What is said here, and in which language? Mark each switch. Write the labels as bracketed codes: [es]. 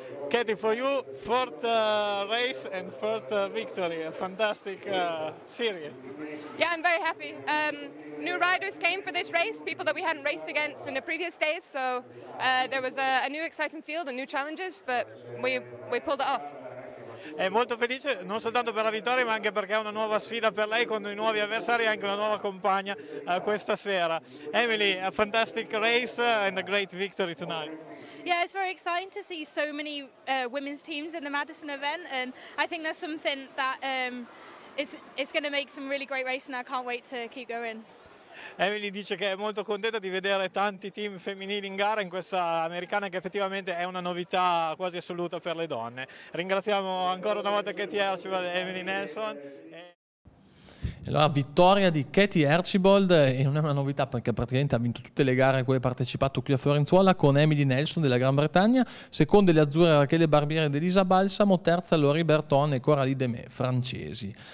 [en] Katie, for you, fourth race and fourth victory, a fantastic series. Yeah, I'm very happy. New riders came for this race, people that we hadn't raced against in the previous days, so there was a new exciting field and new challenges, but we pulled it off. [it] È molto felice non soltanto per la vittoria ma anche perché è una nuova sfida per lei con i nuovi avversari e anche una nuova compagna questa sera. [en] Emily, a fantastic race and a great victory tonight. Yeah, it's very exciting to see so many women's teams in the Madison event, and I think that's something that is going to make some really great racing. I can't wait to keep going. [it] Emily dice che è molto contenta di vedere tanti team femminili in gara in questa americana, che effettivamente è una novità quasi assoluta per le donne. Ringraziamo ancora una volta Katie Archibald e Emily Nelson. Allora, vittoria di Katie Archibald, e non è una novità perché praticamente ha vinto tutte le gare a cui ha partecipato qui a Fiorenzuola, con Emily Nelson della Gran Bretagna, seconde le azzurre Rachele Barbieri ed Elisa Balsamo, terza Laurie Berton e Coralie Demé, francesi.